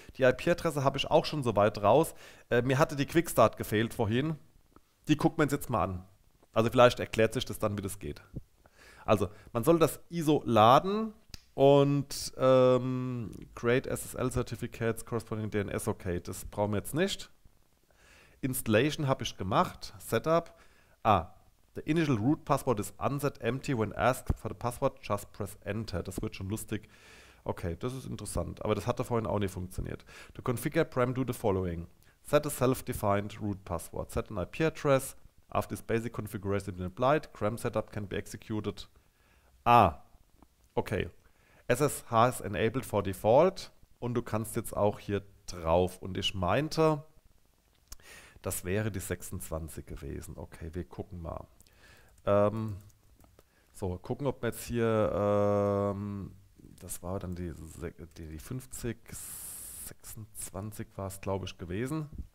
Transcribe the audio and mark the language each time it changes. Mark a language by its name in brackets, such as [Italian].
[German] Die IP-Adresse habe ich auch schon so weit raus. Mir hatte die Quickstart gefehlt vorhin. Die gucken wir uns jetzt mal an. Also vielleicht erklärt sich das dann, wie das geht. Also, man soll das ISO laden und [English] Create SSL Certificates, Corresponding DNS, [German] okay, das brauchen wir jetzt nicht. Installation habe ich gemacht. Setup. Ah. [English] The initial root password is unset empty when asked for the password, just press enter. [German] Das wird schon lustig. Okay, das ist interessant. Aber das hatte vorhin auch nicht funktioniert. [English] To configure prem, do the following. Set a self-defined root password. Set an IP-Address. After this basic configuration been applied, prem setup can be executed. Ah, okay. SSH is enabled for default. [German] Und du kannst jetzt auch hier drauf. Und ich meinte, das wäre die 26 gewesen. Okay, wir gucken mal. So, gucken, ob wir jetzt hier, das war dann die 50, 26 war es, glaube ich, gewesen.